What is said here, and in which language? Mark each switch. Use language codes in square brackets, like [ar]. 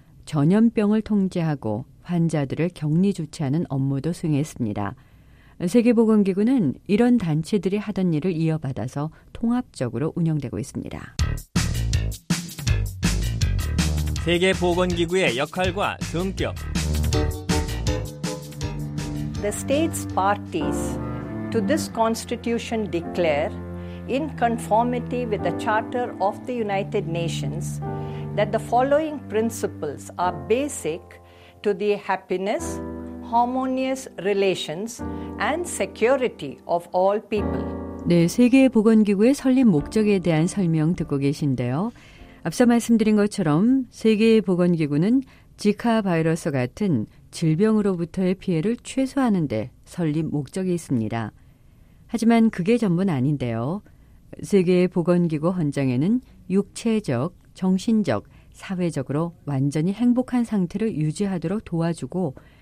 [ko] 전염병을 통제하고 환자들을 격리 조치하는 업무도 수행했습니다. 세계보건기구는 이런 단체들이 하던 일을 이어받아서 통합적으로 운영되고 있습니다. 세계보건기구의 역할과 성격. [en] The states parties to this constitution declare in conformity with the Charter of the United Nations, that the following principles are basic to the happiness, harmonious relations, and security of all people. [ko] 네, 세계보건기구의 설립 목적에 대한 설명 듣고 계신데요. 앞서 말씀드린 것처럼 세계보건기구는 지카 바이러스 같은 질병으로부터의 피해를 최소화하는 데 설립 목적이 있습니다. 하지만 그게 전부는 아닌데요. 세계보건기구 헌장에는 육체적, 정신적, 사회적으로 완전히 행복한 상태를 유지하도록 도와주고